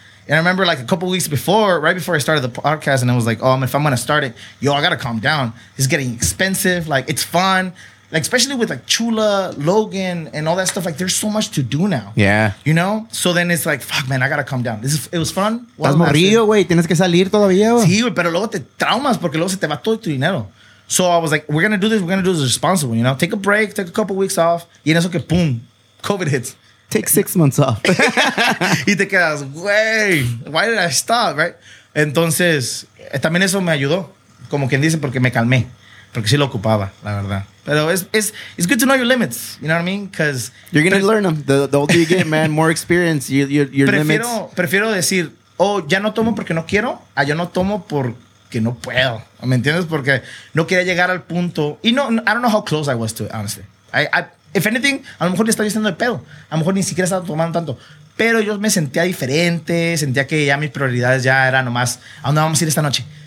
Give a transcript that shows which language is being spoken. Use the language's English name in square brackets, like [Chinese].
[English] And I remember like a couple weeks before, right before I started the podcast, and I was like, oh, if I'm going to start it, yo, I got to calm down. It's getting expensive. Like, it's fun. Like, especially with like Chula, Logan, and all that stuff. Like, there's so much to do now. Yeah. You know? So then it's like, fuck, man, I got to calm down. It was fun. [Spanish] Estás morrido, güey. Tienes que salir todavía, güey. Sí, güey, pero luego te traumas porque luego se te va todo tu dinero. [English] So I was like, we're going to do this. We're going to do this responsible, you know? Take a break. Take a couple weeks off. [Spanish] Y en eso que, [English] boom, COVID hits. Take 6 months off. [Spanish] Y te quedas, güey, [English] why did I stop, right? [Spanish] Entonces, también eso me ayudó. Como quien dice, porque me calmé. Porque sí lo ocupaba, la verdad. Pero [English] it's good to know your limits. You know what I mean? Because you're going to learn them. The older you get, man, more experience, your [Spanish] prefiero, [English] limits. [Spanish] Prefiero decir, oh, ya no tomo porque no quiero, a yo no tomo porque no puedo. ¿Me entiendes? Porque no quería llegar al punto. Y no, [English] I don't know how close I was to it, honestly. If anything, [Spanish] a lo mejor le estaba diciendo de pedo. A lo mejor ni siquiera estaba tomando tanto. Pero yo me sentía diferente. Sentía que ya mis prioridades ya eran nomás, ¿a dónde vamos a ir esta noche?